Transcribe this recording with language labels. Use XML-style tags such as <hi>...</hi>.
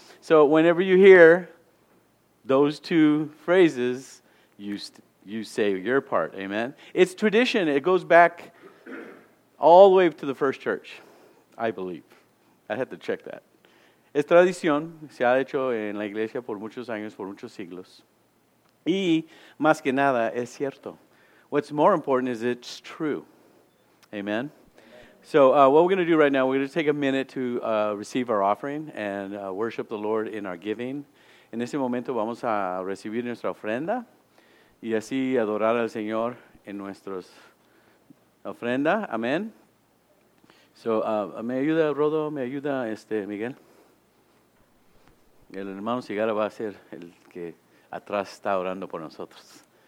<en>So whenever you hear those two phrases, you say your part. Amen. It's tradition. It goes back all the way to the first church, I believe. I had to check that.</en> <es>Es tradición. Se ha hecho en la iglesia por muchos años, por muchos siglos. Y más que nada, es cierto.</es> <en>What's more important is it's true. Amen. So what we're going to do right now, we're going to take a minute to receive our offering and worship the Lord in our giving.</en> <es>En ese momento vamos a recibir nuestra ofrenda y así adorar al Señor en nuestras ofrendas. Amen. So me ayuda Rodo, me ayuda Miguel. El hermano Cigara va a ser el que atrás está orando por nosotros.</es>